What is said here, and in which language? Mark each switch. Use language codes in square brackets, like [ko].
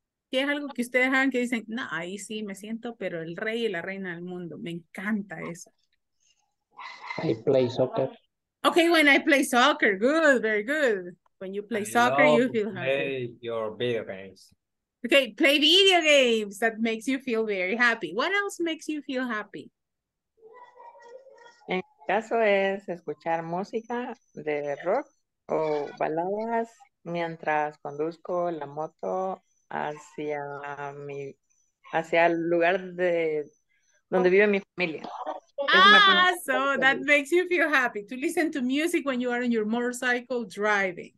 [es] ¿Qué es algo que ustedes hagan que dicen, no, ahí sí me siento, pero el rey y la reina del mundo? Me encanta eso. [en] I play soccer. Okay, when I play soccer, good, very good. When you play soccer, you feel happy. Play your video games. Okay, play video games. That makes you feel very happy. What else makes you feel happy? [es] En caso es escuchar música de rock o baladas mientras conduzco la moto hacia el lugar de donde vive mi familia. [en] So that makes you feel happy to listen to music when you are on your motorcycle driving.